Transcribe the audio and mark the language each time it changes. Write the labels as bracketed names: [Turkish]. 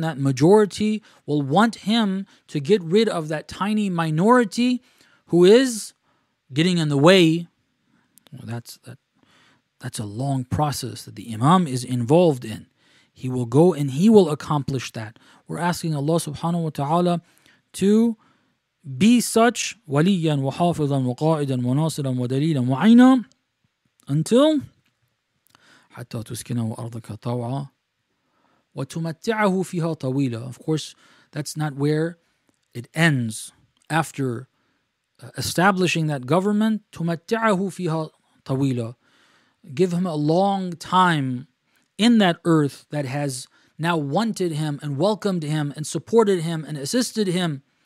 [English] That majority will want him to get rid of that tiny minority who is getting in the way. Well, that's a long process that the Imam is involved in. He will go and he will accomplish that. We're asking Allah subhanahu wa ta'ala to be such, [Arabic] وَلِيًّا وَحَافِظًا وَقَائِدًا وَنَاصِرًا وَدَلِيلًا وَعَيْنًا [English] until [Arabic] حَتَّى تُسْكِنَهُ أَرْضَكَ طَوْعًا وَتُمَتِّعَهُ فِيهَا طَوِيلًا. [English] Of course, that's not where it ends. After establishing that government, [Arabic] تُمَتِّعَهُ فِيهَا طَوِيلًا, [English] give him a long time in that earth that has now wanted him and welcomed him and supported him and assisted him.